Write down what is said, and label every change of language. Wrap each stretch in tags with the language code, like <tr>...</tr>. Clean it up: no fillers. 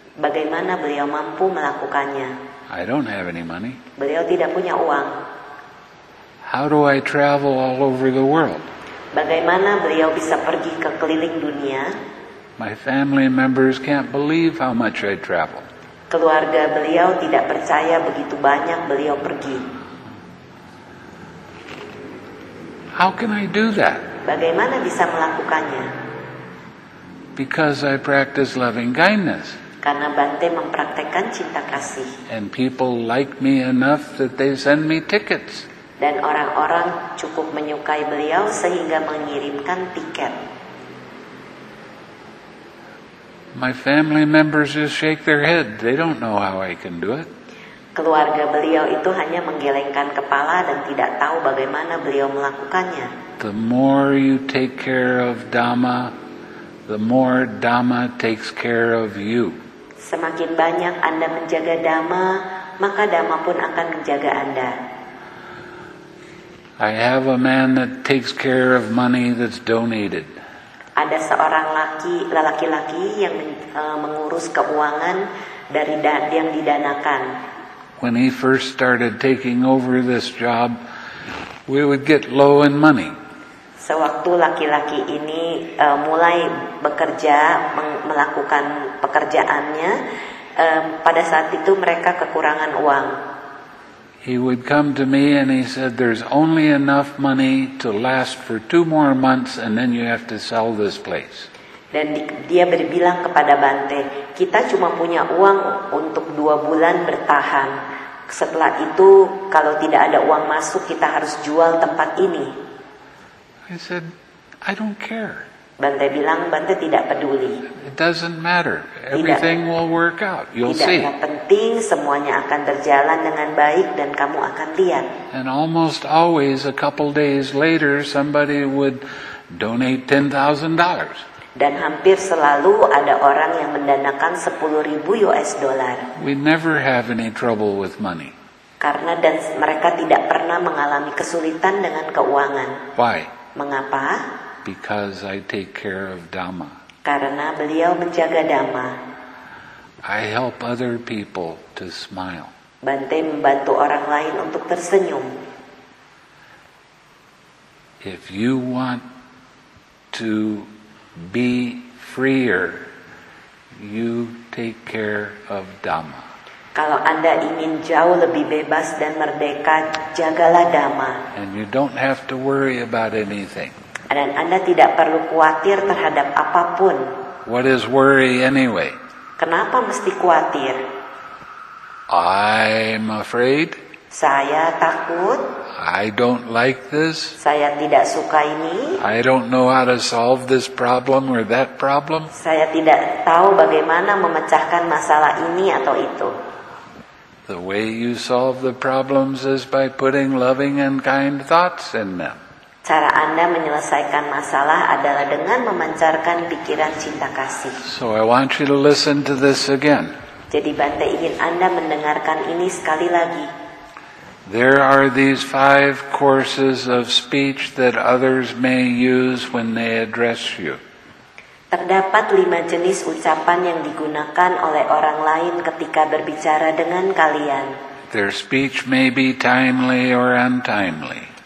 <id>Bagaimana beliau mampu melakukannya?</id> <en>I don't have any money.</en> <id>Beliau tidak punya uang.</id> <en>How do I travel all over the world?</en> <id>Bagaimana beliau bisa pergi ke keliling dunia?</id> <en>My family members can't believe how much I travel.</en> <id>Keluarga beliau tidak percaya begitu banyak beliau pergi.</id> <en>How can I do that?</en> <id>Bagaimana bisa melakukannya?</id> <en>Because I practice loving kindness.</en> <id>Karena Bante mempraktikkan cinta kasih.</id> <en>And people like me enough that they send me tickets.</en> <id>Dan orang-orang cukup menyukai beliau sehingga mengirimkan tiket.</id> <en>My family members just shake their head. They don't know how I can do it.</en> <id>Keluarga beliau itu hanya menggelengkan kepala dan tidak tahu bagaimana beliau melakukannya.</id> <en>The more you take care of Dhamma, the more Dhamma takes care of you.</en> <id>Semakin banyak Anda menjaga Dhamma, maka Dhamma pun akan menjaga Anda.</id> <en>I have a man that takes care of money that's donated.</en> <id>Ada seorang laki-laki yang mengurus keuangan dari yang didanakan.</id> <en>When he first started taking over this job, we would get low in money.</en> <id>Sewaktu laki-laki ini mulai bekerja, melakukan pekerjaannya, pada saat itu mereka kekurangan uang.</id> <en>He would come to me and he said, there's only enough money to last for 2 more months and then you have to sell this place.</en> <id>Dan dia berbilang kepada Bante, kita cuma punya uang untuk 2 bulan bertahan. Setelah itu, kalau tidak ada uang masuk, kita harus jual tempat ini.</id> <en>I said, I don't care.</en> <id>Bante bilang, Bante tidak peduli.</id> <en>It doesn't matter. Everything will work out. You'll see.</en> <id>Tidak penting, semuanya akan berjalan dengan baik dan kamu akan lihat.</id> <en>And almost always, a couple days later, somebody would donate $10,000.</en> <id>Dan hampir selalu ada orang yang mendanakan 10.000 US dollar.</id> <en>We never have any trouble with money.</en> <id>Karena dan mereka tidak pernah mengalami kesulitan dengan keuangan.</id> <en>Why?</en> <id>Mengapa?</id> <en>Because I take care of Dhamma.</en> <id>Karena beliau menjaga Dhamma.</id> <en>I help other people to smile.</en> <id>Bante membantu orang lain untuk tersenyum.</id> <en>If you want to be freer, you take care of Dhamma.</en> <id>Kalau Anda ingin jauh lebih bebas dan merdeka, jagalah Dhamma.</id> <en>And you don't have to worry about anything.</en> <id>Dan Anda tidak perlu khawatir terhadap apapun.</id> <en>What is worry anyway?</en> <id>Kenapa mesti khawatir?</id> <en>I'm afraid.</en> <id>Saya takut.</id> <en>I don't like this.</en> <id>Saya tidak suka ini.</id> <en>I don't know how to solve this problem or that problem.</en> <id>Saya tidak tahu bagaimana memecahkan masalah ini atau itu.</id> <en>The way you solve the problems is by putting loving and kind thoughts in them.</en> <id>Cara Anda menyelesaikan masalah adalah dengan memancarkan pikiran cinta kasih.</id> <en>So I want you to listen to this again.</en> <id>Jadi Bante ingin Anda mendengarkan ini sekali lagi.</id> <en>There are these 5 courses of speech that others may use when they address you.</en> <id>Terdapat 5 jenis ucapan yang digunakan oleh orang lain ketika berbicara dengan kalian.</id> <en>Their speech may be timely or untimely.</en>